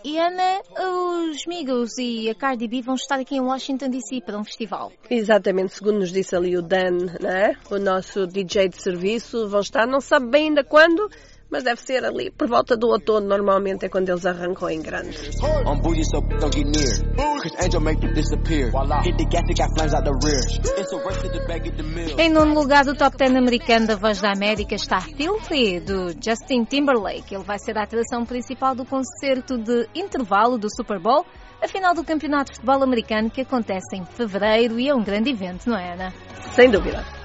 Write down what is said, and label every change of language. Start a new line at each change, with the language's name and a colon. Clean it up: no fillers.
Portuguese: E Ana, os Migos e a Cardi B vão estar aqui em Washington DC para um festival. Exatamente, segundo nos disse ali o Dan, né? O nosso DJ de serviço, vão estar, não sabe bem ainda quando, mas deve ser ali por volta do outono, normalmente é quando eles arrancam em grande.
English: On booty so don't get near, cause Angel make it disappear. Hit the gas, it got flames out the rear. It's a rush to the bag at the mill.
Portuguese: Em nono lugar do Top 10 americano da Voz da América está Filthy, do Justin Timberlake. Ele vai ser a atração principal do concerto de intervalo do Super Bowl, a final do Campeonato de Futebol Americano que acontece em fevereiro e é um grande evento, não é, Ana? Sem dúvida.